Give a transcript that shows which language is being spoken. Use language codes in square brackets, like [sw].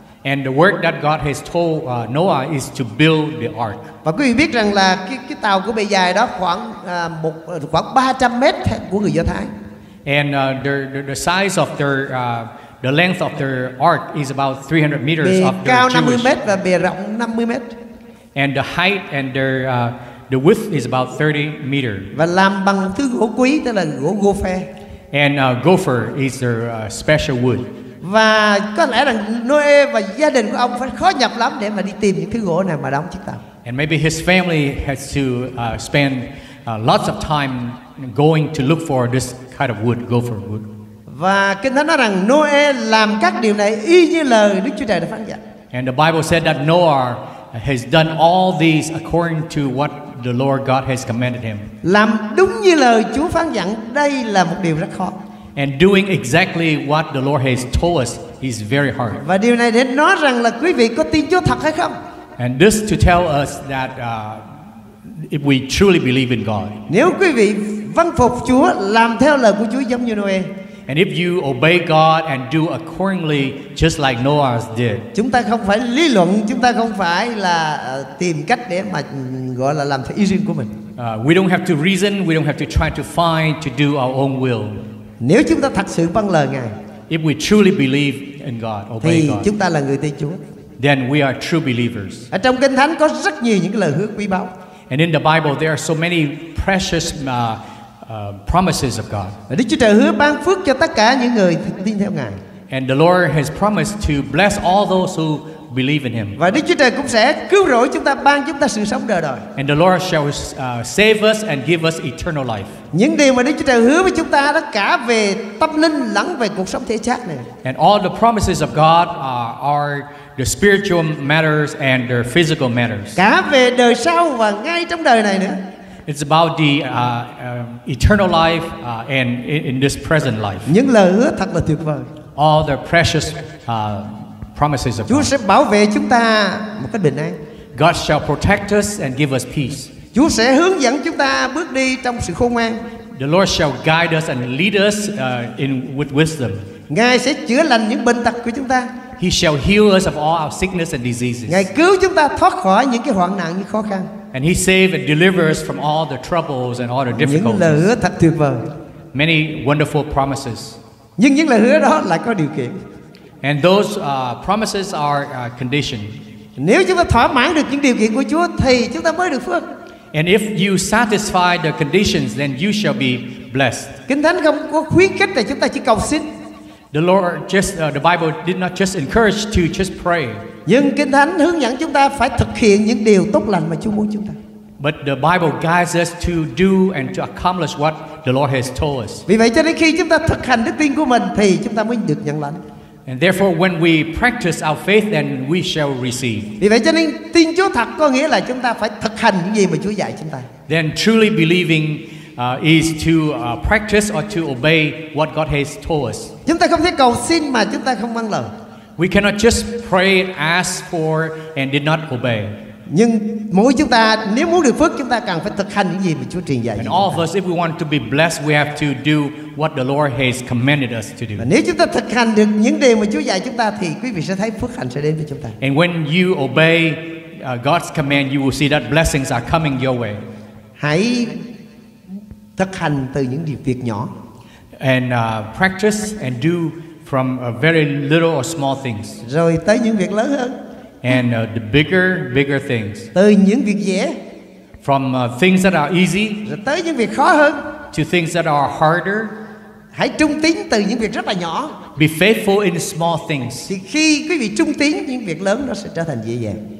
[en] And the work that God has told Noah is to build the ark. [vi] Và quý vị biết rằng là cái tàu của bề dài đó khoảng một khoảng 300 mét của người Do Thái. [en] And the size of their the length of their ark is about 300 meters [vi] bề [en] Jewish. [vi] Bề cao 50 mét và bề rộng 50 mét. [en] And the height and the width is about 30 meters. [vi] Và làm bằng thứ gỗ quý tức là gỗ gopher. [en] And gopher is their special wood. [vi] Và có lẽ rằng Noe và gia đình của ông phải khó nhập lắm để mà đi tìm những thứ gỗ nào mà đóng chiếc tàu. [en] And maybe his family has to spend lots of time going to look for this kind of wood, gopher wood. [vi] Và Kinh Thánh nói rằng Noe làm các điều này y như lời Đức Chúa Trời đã phán dạy. [en] And the Bible said that Noah has done all these according to what the Lord God has commanded him. [vi] Làm đúng như lời Chúa phán dặn, đây là một điều rất khó. [en] And doing exactly what the Lord has told us is very hard. [vi] Và điều này để nói rằng là quý vị có tin Chúa thật hay không? [en] And this to tell us that if we truly believe in God. [vi] Nếu quý vị vâng phục Chúa, làm theo lời của Chúa giống như Noe. [en] And if you obey God and do accordingly just like Noah did. [vi] Chúng ta không phải lý luận, chúng ta không phải là tìm cách để mà gọi là làm theo ý riêng của mình. [en] We don't have to reason, we don't have to try to find to do our own will. [vi] Nếu chúng ta thật sự vâng lời Ngài, [en] if we truly believe in God, obey [vi] thì [en] God, [vi] chúng ta là người tin Chúa. [en] Then we are true believers. [vi] Ở trong Kinh Thánh có rất nhiều những lời hứa quý báu. [en] And in the Bible there are so many precious promises of God. [vi] Và Đức Chúa Trời hứa ban phước cho tất cả những người tin theo Ngài. [en] And the Lord has promised to bless all those who believe in Him. [vi] Và Đức Chúa Trời cũng sẽ cứu rỗi chúng ta, ban chúng ta sự sống đời đời. [en] And the Lord shall save us and give us eternal life. [vi] Những điều mà Đức Chúa Trời hứa với chúng ta đó, cả về tâm linh lẫn về cuộc sống thể xác này. [en] And all the promises of God are the spiritual matters and the physical matters. [vi] Cả về đời sau và ngay trong đời này nữa. [en] It's about the eternal life and in this present life. [vi] Những lời hứa thật là tuyệt vời. [en] All the precious promises of God. [vi] Chúa sẽ bảo vệ chúng ta một cách bình an. [en] God shall protect us and give us peace. [vi] Chúa sẽ hướng dẫn chúng ta bước đi trong sự khôn ngoan. [en] The Lord shall guide us and lead us with wisdom. [vi] Ngài sẽ chữa lành những bệnh tật của chúng ta. [en] He shall heal us of all our sickness and diseases. [vi] Ngài cứu chúng ta thoát khỏi những cái hoạn nạn, những khó khăn. [en] And He saves and delivers from all the troubles and all the difficulties. [vi] Những lời hứa thật tuyệt vời. [en] Many wonderful promises. [vi] Nhưng những lời hứa đó lại có điều kiện. [en] And those promises are conditioned. [vi] Nếu chúng ta thỏa mãn được những điều kiện của Chúa thì chúng ta mới được phước. [en] And if you satisfy the conditions, then you shall be blessed. [vi] Kinh Thánh không có khuyến khích là chúng ta chỉ cầu xin. [en] The Lord just the Bible did not just encourage to just pray. [vi] Nhưng Kinh Thánh hướng dẫn chúng ta phải thực hiện những điều tốt lành mà Chúa muốn chúng ta. [en] But the Bible guides us to do and to accomplish what the Lord has told us. [vi] Vì vậy cho đến khi chúng ta thực hành đức tin của mình thì chúng ta mới được nhận lãnh. [en] And therefore when we practice our faith then we shall receive. [vi] Vì vậy cho nên tin Chúa thật có nghĩa là chúng ta phải thực hành những gì mà Chúa dạy chúng ta. [en] Then truly believing is to practice or to obey what God has told us. [vi] Chúng ta không thể cầu xin mà chúng ta không vâng lời. [en] We cannot just pray, ask for and did not obey. [vi] Nhưng mỗi chúng ta nếu muốn được phước, chúng ta cần phải thực hành những gì mà Chúa truyền dạy. [en] And all of us, if we want to be blessed, we have to do what the Lord has commanded us to do. [vi] Và nếu chúng ta thực hành được những điều mà Chúa dạy chúng ta thì quý vị sẽ thấy phước hạnh sẽ đến với chúng ta. [en] And when you obey God's command, you will see that blessings are coming your way. [vi] Hãy thực hành từ những điều việc nhỏ. [en] And practice and do from very little or small things. [vi] Rồi tới những việc lớn hơn. [en] And the bigger things. [vi] Từ những việc dễ. [en] From things that are easy. [vi] Rồi tới những việc khó hơn. [en] To things that are harder. [vi] Hãy trung tín từ những việc rất là nhỏ. [en] Be faithful in small things. [vi] Thì khi quý vị trung tín, những việc lớn nó sẽ trở thành dễ dàng.